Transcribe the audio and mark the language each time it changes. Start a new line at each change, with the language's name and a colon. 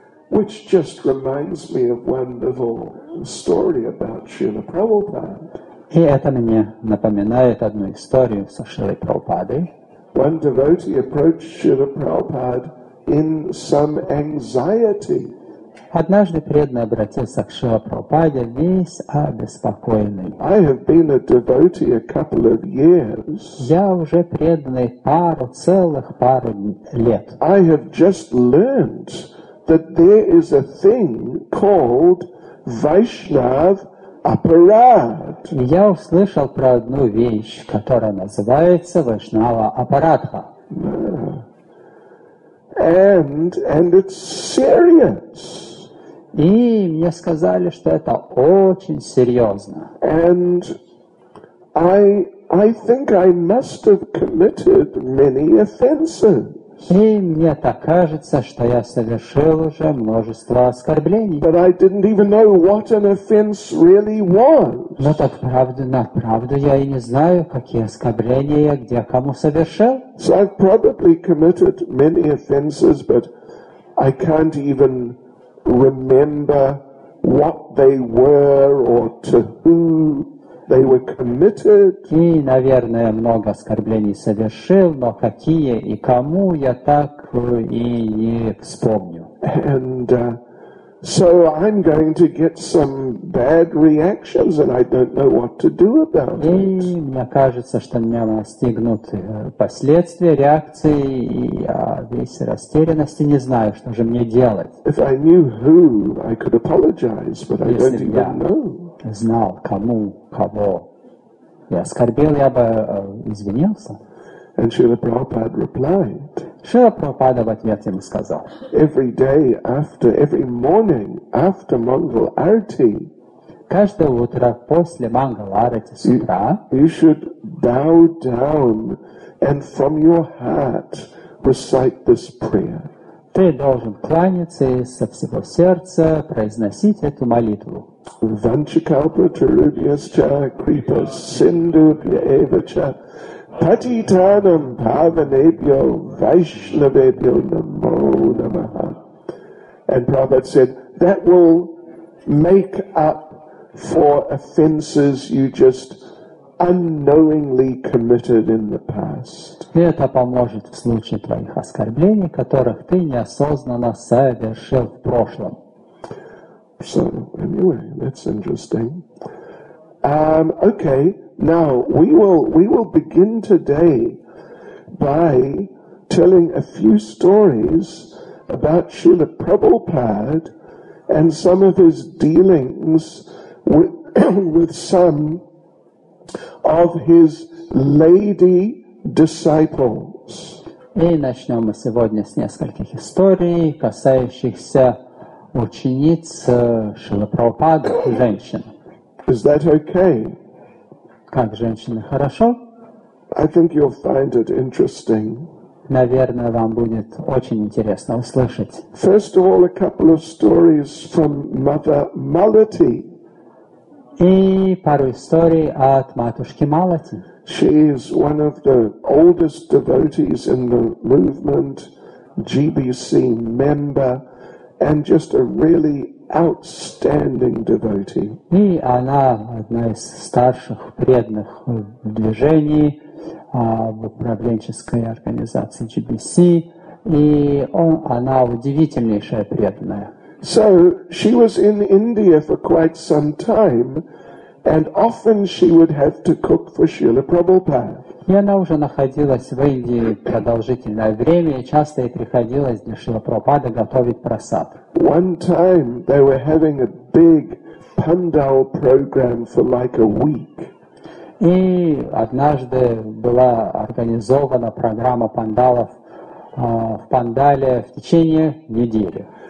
English: Which just reminds me of one little story about Srila Prabhupada.
Russian: И это мне напоминает одну историю со Шрилой Прабхупадой.
English: One devotee approached Srila Prabhupada in some anxiety.
Russian: Однажды преданный обратился к Шриле Прабхупаде весь обеспокоенный.
English: I have been a devotee a couple of years.
Russian: Я уже преданный пару лет.
English: I have just learned that there is a thing called Vaishnav Aparad.
Russian: Я услышал про одну вещь, которая называется Вайшнава Апарадха.
English: And it's serious.
Russian: И мне сказали, что это очень серьезно.
English: And I think I must have committed many offenses.
Russian: И мне так кажется, что я совершил уже множество оскорблений.
English: But I didn't even know what an offense really was.
Russian: Но так правда, на правду я и не знаю, какие оскорбления я где кому совершил.
English: So I've probably committed many offenses, but I can't even remember what they were or to who they were committed.
Russian: И, наверное, много оскорблений совершил, но какие и кому я так и не вспомню.
English: And so I'm going to get some bad reactions, and I don't know what to do about it.
Russian: И мне кажется, что меня настигнут последствия реакции, и я весь растерянности не знаю, что же мне делать.
English: If I knew who, I could apologize, but I don't even know.
Russian: Если я знал, кому, кого я оскорбил, я бы извинился.
English: And Srila Prabhupada replied,
Russian: Srila Prabhupada в ответ ему сказал,
English: every day after, every morning after Mangal Arati,
Russian: каждое утро после Mangal Arati с утра,
English: you should bow down and from your heart recite this prayer.
Russian: Ты должен кланяться и со всего сердца произносить эту молитву.
Sanskrit: Ванчакалпа Чарубьясча Крипа Синдубьявача Патитанам Паванебьо Вайшнавебьо Намо Намаха.
English: And Prabhupada said, that will make up for offenses you just unknowingly committed in the past.
Russian: Это поможет в случае твоих оскорблений, которых ты неосознанно совершил в прошлом.
English: So, anyway, that's interesting. Okay, now we will begin today by telling a few stories about Srila Prabhupada and some of his dealings with some of his lady disciples.
Russian: И начнем мы сегодня с нескольких историй, касающихся учениц Шрилы Прабхупады, женщин.
English: Is that okay?
Russian: Как женщины, хорошо?
English: I think you'll find it interesting.
Russian: Наверное, вам будет очень интересно услышать.
English: First of all, a couple of stories from Mother Malati.
Russian: И пару историй от матушки Малати.
English: She is one of the oldest devotees in the movement, GBC member, and just a really outstanding devotee.
Russian: И она одна из старших преданных в движении, в управленческой организации GBC, и она удивительнейшая преданная.
English: So she was in India for quite some time, and often she would have to cook for Srila Prabhupada.
Russian: И она уже находилась в Индии продолжительное время, и часто ей приходилось для Шрилы Прабхупады готовить прасад.
English: One time they were having a big pandal program for like a week.
Russian: И однажды была организована программа пандалов в Пандале в течение недели.